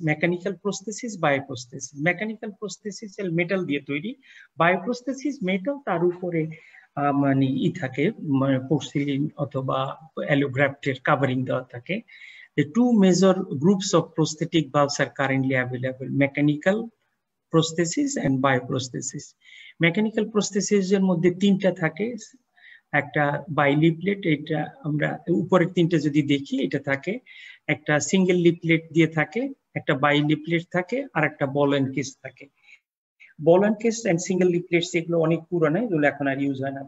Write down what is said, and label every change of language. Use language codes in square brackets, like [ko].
[bn] Mechanical prosthesis, বায়োপ্রস্থেসিস. Mechanical prosthesis metal দিয়ে তৈরি, বায়োপ্রস্থেসিস metal, তার উপরে মানে ই থাকে, মানে পোর্সিলিন অথবা অ্যালোগ্রাফটের কাভারিং দেওয়া থাকে. [en] The two major groups of prosthetic valves are currently available: mechanical prosthesis and bioprosthesis. [bn] Mechanical prosthesis এর মধ্যে তিনটা থাকে, একটা বাইলিপলেট, এটা আমরা উপরের তিনটা যদি দেখি এটা থাকে, একটা সিঙ্গেল লিপলেট দিয়ে থাকে, একটা বাইলিপলেট থাকে, আর একটা বল এন্ড কেস থাকে. বল and case and single leaflet এগুলো অনেক পুরানো, এগুলো এখন আর ইউজ হয় না.